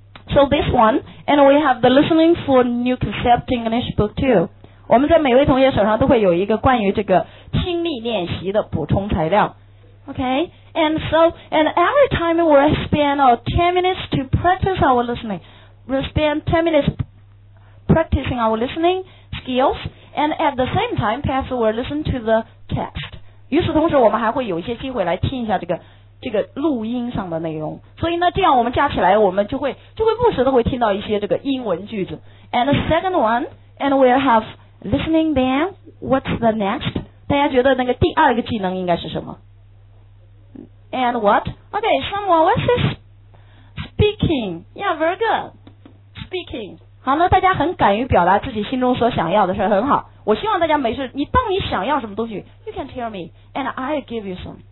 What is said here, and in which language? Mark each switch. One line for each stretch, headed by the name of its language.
English: So this one and we have the listening for new concept English book too.
Chinese: 我们在每位同学手上都会有一个关于这个听力练习的补充材料。
English: Okay, and every time we spend 10 minutes to practice our listening, we spend 10 minutes practicing our listening skills, and at the same time, perhaps we'll listen to the text.
Chinese: 与此同时我们还会有一些机会来听一下这个录音上的内容。所以呢，这样我们加起来我们就会不时的会听到一些这个英文句子。
English: And the second one, and we'll have listening then, what's the next?
Chinese: 大家觉得那个第二个技能应该是什么？
English: And what? Okay, someone, what's this? Speaking. Yeah, very good. Speaking.
Chinese: 好，那大家很敢于表达自己心中所想要的事，很好。我希望大家没事，你当你想要什么东西 ，
English: you can tell me, and I'll give you some.